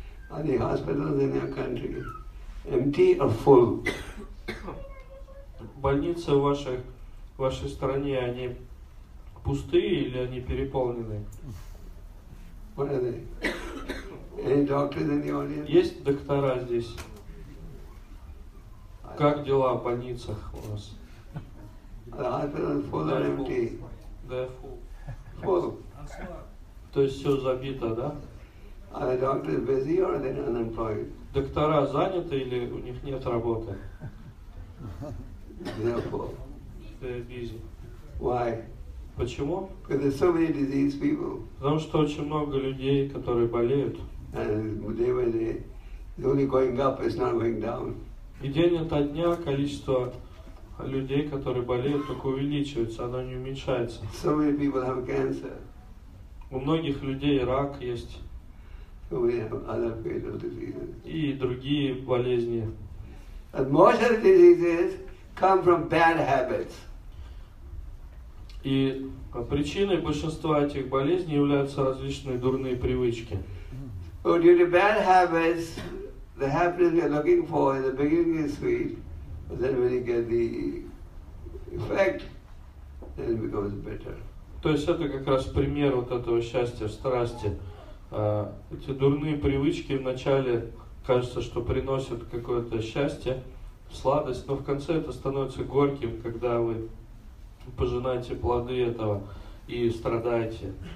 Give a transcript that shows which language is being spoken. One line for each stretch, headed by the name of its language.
English: Are the hospitals in your country empty or full?
Russian: Больницы в вашей стране, они пустые или они переполнены?
English: What are they? Any doctors in the audience?
Russian: Есть доктора здесь? Как дела в больницах у вас?
English: Are the hospitals full or empty? They're full. Full.
Russian: То есть все забито, да?
English: Are the doctors busy or are they unemployed?
Russian: Доктора заняты или у них нет работы?
English: They're full. They're busy. Why?
Russian: Почему?
English: Because there's so many diseased people.
Russian: Потому что очень много людей, которые болеют.
English: And day by day, it's only going up, it's not going down.
Russian: И день ото дня количество людей, которые болеют, только увеличивается, оно не уменьшается.
English: So many people have cancer.
Russian: У многих людей рак есть.
English: So many have other fatal diseases.
Russian: И другие болезни.
English: And most of the diseases come from bad habits.
Russian: И причиной большинства этих болезней являются различные дурные привычки.
English: So due to bad habits, the happiness you're looking for in the beginning is sweet, but then when you get the effect, then it becomes bitter.
Russian: То есть это как раз пример вот этого счастья, страсти. Эти дурные привычки вначале кажется, что приносят какое-то счастье, сладость, но в конце это становится горьким, когда вы пожинаете плоды этого и страдаете.